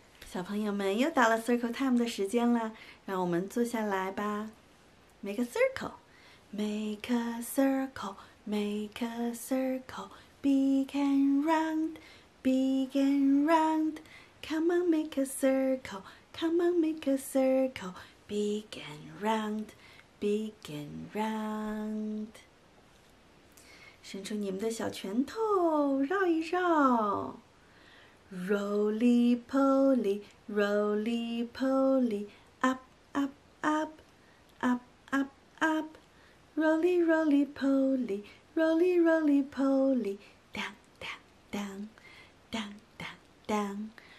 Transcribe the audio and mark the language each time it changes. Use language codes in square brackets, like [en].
[zh] 小朋友们又到了 circle time 的时间了，让我们坐下来吧。 [en] Make a circle, make a circle, make a circle, begin round, begin round. Come on, make a circle, come on, make a circle, begin round, begin round. [zh] 伸出你们的小拳头，绕一绕。 [en] Roly poly, roly poly, up, up, up, up, up, up. Roly roly poly, roly roly poly, down, down, down, down, down.